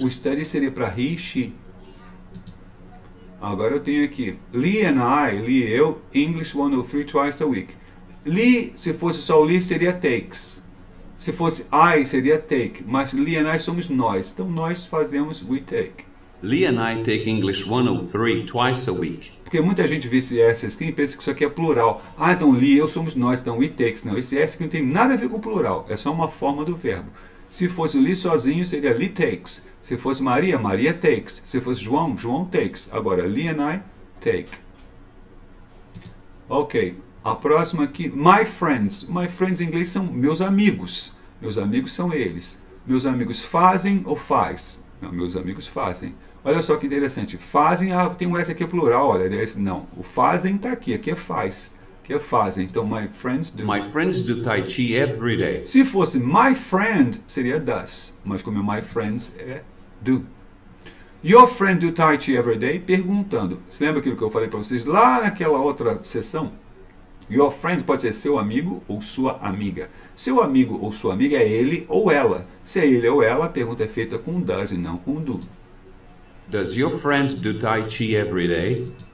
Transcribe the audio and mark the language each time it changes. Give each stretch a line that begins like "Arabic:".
Portuguese: O study seria para he, she. Agora eu tenho aqui.
English: Lee and I,
Portuguese: Lee e eu,
English: English 103 twice a week.
Portuguese: Lee, se fosse só o Lee, seria takes. Se fosse I, seria take. Mas
English: Lee and I
Portuguese: somos nós. Então nós fazemos
English: we take. Lee and I take English 103 twice a week.
Portuguese: Porque muita gente vê esse S aqui e pensa que isso aqui é plural. Ah, então Lee eu somos nós, então
English: we takes.
Portuguese: Não, esse S aqui não tem nada a ver com plural. É só uma forma do verbo. Se fosse Lee sozinho, seria
English: Lee takes.
Portuguese: Se fosse Maria, Maria takes. Se fosse João, João takes.
English: Agora, Lee and I take. Ok.
Portuguese: A próxima aqui,
English: my friends.
Portuguese: My friends em inglês são meus amigos. Meus amigos são eles. Meus amigos fazem ou faz? Não, meus amigos fazem. Olha só que interessante. Fazem, ah, tem um S aqui plural, olha. Não, o fazem está aqui, aqui é faz. Aqui é fazem, então
English: my friends do. My friends do Tai Chi every day.
Portuguese: Se fosse
English: my friend,
Portuguese: seria does. Mas como é
English: my friends,
Portuguese: é do.
English: Your friend do Tai Chi every day?
Portuguese: Perguntando. Você lembra aquilo que eu falei para vocês lá naquela outra sessão?
English: Your friend
Portuguese: pode ser seu amigo ou sua amiga. Seu amigo ou sua amiga é ele ou ela. Se é ele ou ela, a pergunta é feita com does e não com do.
English: Does your friend do Tai Chi every day?